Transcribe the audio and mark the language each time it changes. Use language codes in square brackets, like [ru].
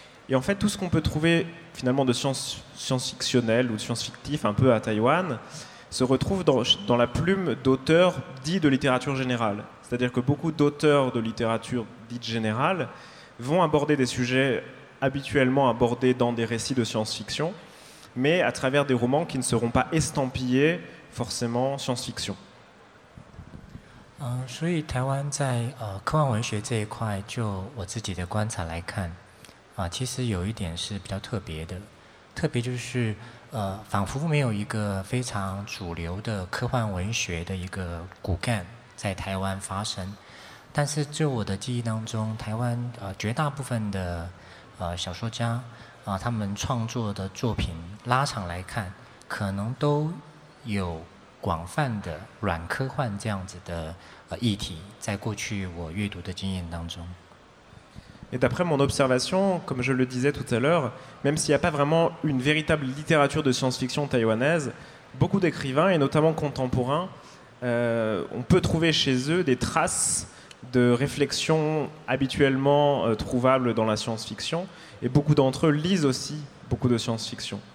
[fr] Et en fait, tout ce qu'on peut trouver finalement de science-fictionnel ou de science-fictif un peu à Taïwan se retrouve dans la plume d'auteurs dits de littérature générale. C'est-à-dire que beaucoup d'auteurs de littérature dite générale vont aborder des sujets habituellement abordés dans des récits de science-fiction, mais à travers des romans qui ne seront pas estampillés forcément science-fiction. [zh] 所以台湾在科幻文学这一块，就我自己的观察来看，其实有一点是比较特别的，特别就是仿佛没有一个非常主流的科幻文学的一个骨干在台湾发生。但是就我的记忆当中，台湾绝大部分的小说家他们创作的作品拉长来看，可能都有广泛的软科幻这样子的议题，在过去我阅读的经验当中。 [fr] Et d'après mon observation, comme je le disais tout à l'heure, même s'il n'y a pas vraiment une véritable littérature de science-fiction taïwanaise, beaucoup d'écrivains, et notamment contemporains, on peut trouver chez eux des traces de réflexions habituellement trouvables dans la science-fiction, et beaucoup d'entre eux lisent aussi beaucoup de science-fiction.